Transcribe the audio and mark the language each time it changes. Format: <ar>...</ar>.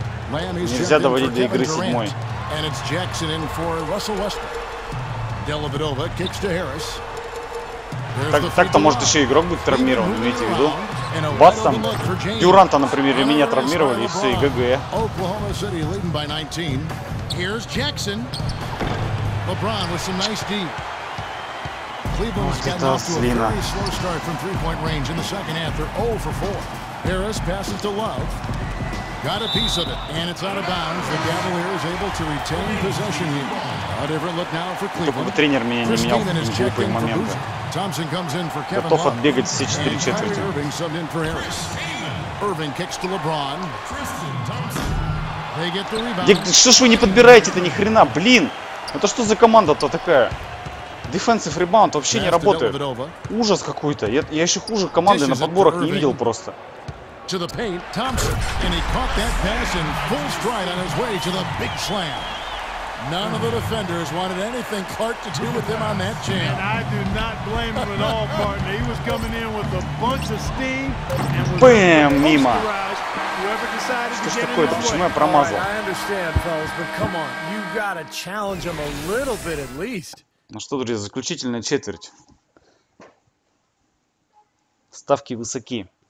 <ru>Нельзя доводить до игры седьмой.</ru> <en>And it's Jackson in for Russell Westbrook. Dellavedova kicks to Harris.</en> <ru>Так-то может еще игрок быть травмирован, имейте в виду. Бац там, Дюранта, например, и меня травмировали, и все, и ГГ.</ru> <en>Oklahoma City leading by 19. Here's Jackson. LeBron with some nice deep. Cleveland's gotten off to a very slow start from three-point range in the second half. They're 0 for 4. Harris passes to Love. Got a piece of it, and it's out of bounds. The Cavaliers able to retain possession here. A different look now for Cleveland. Christine is checking for Boozer. Thompson comes in for Kevin Love. And Kyrie Irving subbed in for Harris. Irving kicks to LeBron. They get the rebound.</en> <ru>Что ж вы не подбираете-то ни хрена, блин? Это что за команда-то такая?</ru> <en>Defensive rebound</en> <ru>вообще не работает. Ужас какой-то. Я еще хуже команды на подборах не видел просто.</ru> <en>To the paint, Thompson, and he caught that pass in full stride on his way to the big slam. None of the defenders wanted anything Clark to do with him on that jam. And I do not blame him at all, partner. He was coming in with a bunch of steam.</en> <ru>Bam, мимо.</ru> <en>Whoever decided</en> <ru>что</ru> <en>to get</en> <ru>такое-то?</ru> <en>In his</en> <ru>почему</ru> <en>way.</en> <ru>Я промазал?</ru> <en>Right, I understand, fellas, but come on, you gotta challenge him a little bit at least.</en> <ru>Ну что, друзья, заключительная четверть. Ставки высоки.</ru>